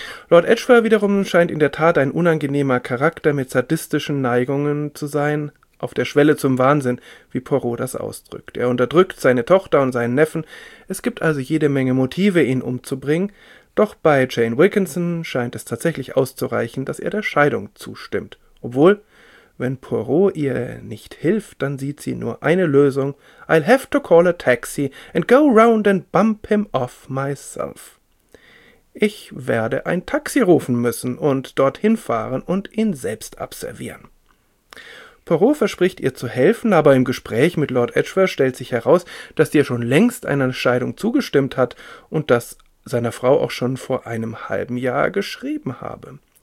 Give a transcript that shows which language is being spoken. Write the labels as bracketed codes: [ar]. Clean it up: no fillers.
[de] Lord Edgware wiederum scheint in der Tat ein unangenehmer Charakter mit sadistischen Neigungen zu sein, auf der Schwelle zum Wahnsinn, wie Poirot das ausdrückt. Er unterdrückt seine Tochter und seinen Neffen, es gibt also jede Menge Motive, ihn umzubringen, doch bei Jane Wilkinson scheint es tatsächlich auszureichen, dass er der Scheidung zustimmt. Obwohl, wenn Poirot ihr nicht hilft, dann sieht sie nur eine Lösung. [en] I'll have to call a taxi and go round and bump him off myself. [de] Ich werde ein Taxi rufen müssen und dorthin fahren und ihn selbst abservieren. Poirot verspricht ihr zu helfen, aber im Gespräch mit Lord Edgware stellt sich heraus, dass der schon längst einer Scheidung zugestimmt hat und das seiner Frau auch schon vor einem halben Jahr geschrieben habe.